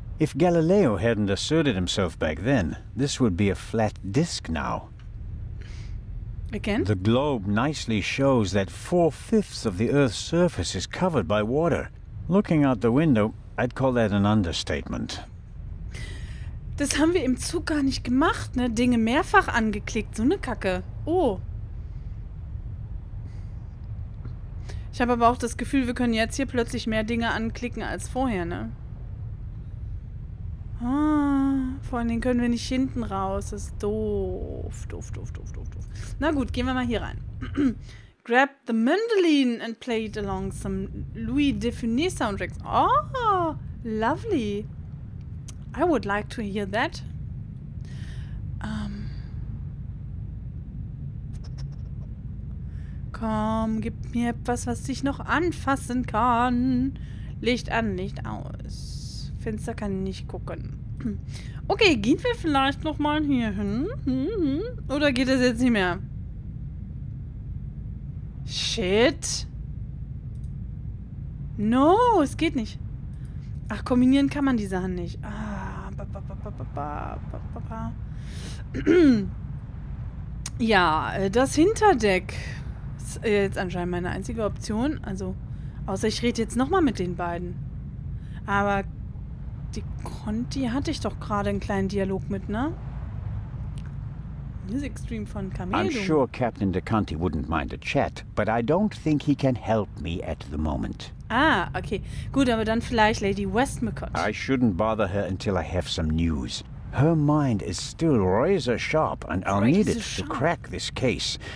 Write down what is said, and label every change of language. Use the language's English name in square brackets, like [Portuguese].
[English] If Galileo hadn't asserted himself back then, this would be a flat disc now. Again? The globe nicely shows that 4/5 of the Earth's surface is covered by water. Looking out the window, I'd call that an understatement. [German] Das haben wir im Zug gar nicht gemacht, ne? Dinge mehrfach angeklickt, so eine Kacke. Oh. Ich habe aber auch das Gefühl, wir können jetzt hier plötzlich mehr Dinge anklicken als vorher, ne? Ah, vor allen Dingen können wir nicht hinten raus. Das ist doof, doof, doof, doof, doof, doof. Na gut, gehen wir mal hier rein. [English] Grab the mandolin and play it along some Louis Dufuné soundtracks. Oh, lovely. I would like to hear that. [German] Komm, gib mir etwas, was ich noch anfassen kann. Licht an, Licht aus. Fenster kann ich nicht gucken. Okay, gehen wir vielleicht nochmal hier hin? Oder geht das jetzt nicht mehr? [English] Shit. [German] No, es geht nicht. Ach, kombinieren kann man die Sachen nicht. Ah, ba, ba, ba, ba, ba, ba, ba, ba, ba. Ja, das Hinterdeck ist jetzt anscheinend meine einzige Option. Also, außer ich rede jetzt nochmal mit den beiden. Aber die Conti hatte ich doch gerade einen kleinen Dialog mit, ne? [English] Music stream von Camilo. I'm sure Captain De Conti wouldn't mind a chat, but I don't think he can help me at the moment. [German] Ah, okay. Gut, aber dann vielleicht Lady Westmacott. [English] I shouldn't bother her until I have some news. Her mind is still razor sharp, and I'll need it to crack this case.